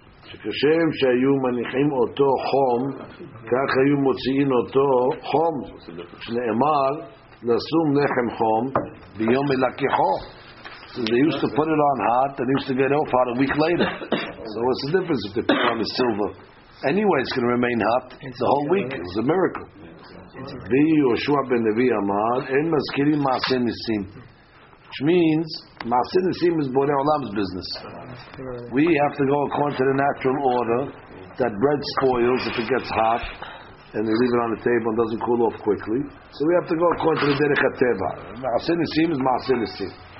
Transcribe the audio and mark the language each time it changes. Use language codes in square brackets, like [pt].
[he] שכשם שהיו מניחים אותו חום, כך היו מוציאים אותו חום, שנאמר, לשום לחם חום ביום מלקחו. [en] So they used to put it on hot, and they used to get off hot a week later. So what's the difference if they put on the silver? Anyway, it's going to remain hot the whole week. It's a miracle. [he] ויהושע בן נביא אמר, אין מזכירים מעשי ניסים. [en] Which means, Ma'asin Nisim is Borei Olam's business. We have to go according to the natural order that bread spoils if it gets hot and they leave it on the table and doesn't cool off quickly. So we have to go according to the Derech HaTeva. Ma'asin Nisim is Ma'asin Nisim.